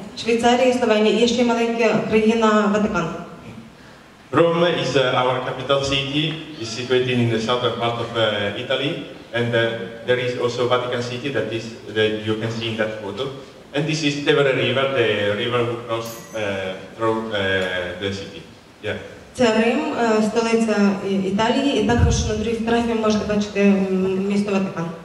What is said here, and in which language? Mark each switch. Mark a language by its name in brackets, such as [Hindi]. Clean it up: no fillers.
[Ukrainian] Швейцарія, Словенія, і ще маленька країна Ватикан. [English] Rome is our capital city, is situated in the southern part of Italy. And there is also Vatican City that is that you can see in that photo. And this is Tevere River, the river who crosses through the city. Yeah. [Ukrainian] Це Рим, столиця Італії, і також на другій фотографії можете бачити місто Ватикан.